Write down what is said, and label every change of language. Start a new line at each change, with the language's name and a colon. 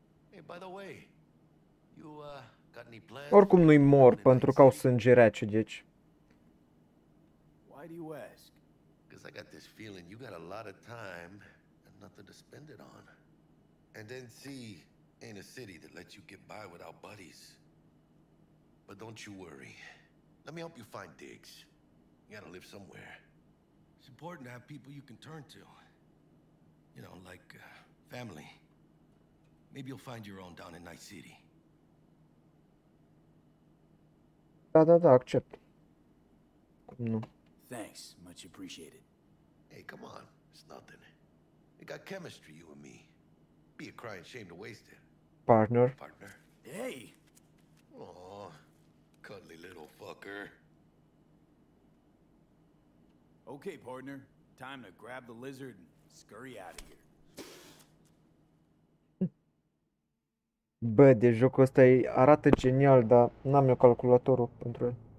English: Hey, by the way, you got any plans?
Romanian: Oricum nu-i mor pentru că au sânge rece, deci.
English: Why do you ask? Cuz I got this feeling you got a lot of time and nothing to spend it on. And NC ain't a city that lets you get by without buddies. But don't you worry. Let me help you find digs. You gotta live somewhere. It's important to have people you can turn to. You know, like family. Maybe you'll find your own down in Night City.
Romanian: Да-да-да,
English: accept. No. Thanks, much appreciated. Hey, come on, it's nothing. We got chemistry, you and me. Be a crying shame to waste it. Partner. Partner. Hey! Aw, cuddly little fucker. Okay, partner. Time to grab the lizard and scurry out of here.
Romanian: Bă, de jocul ăsta arată genial, dar n-am eu calculatorul pentru el.